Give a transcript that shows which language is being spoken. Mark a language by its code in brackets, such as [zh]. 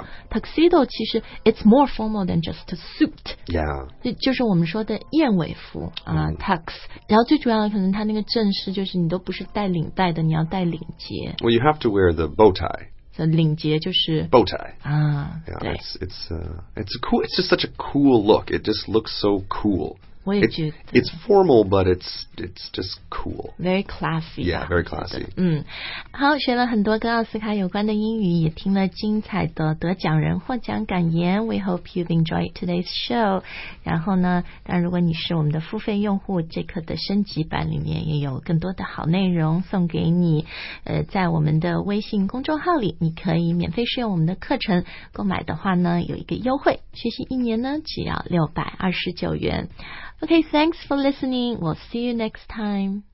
[en] Tuxedo [zh] 其实 [en] it's more formal than just a suit. Yeah. [zh] 就是我们说的燕尾服、tux. 然后最主要的可能它那个正式就是你都不是戴领带的你要戴领结。 [en] Well, you have to wear the bow tie. [zh] So, 领结就是 [en] Bow tie. Yeah, it's just such a cool look. It just looks so cool. [zh] 我也觉得。 [en] It's formal, but it's just cool. Very classy. Yeah, very classy. [zh] 嗯，好，学了很多跟奥斯卡有关的英语，也听了精彩的得奖人获奖感言。 [en] We hope you've enjoyed today's show. [zh] 然后呢，但如果你是我们的付费用户，这课的升级版里面也有更多的好内容送给你。在我们的微信公众号里，你可以免费试用我们的课程。购买的话呢，有一个优惠，学习一年呢只要629元。 [en] Okay, thanks for listening. We'll see you next time.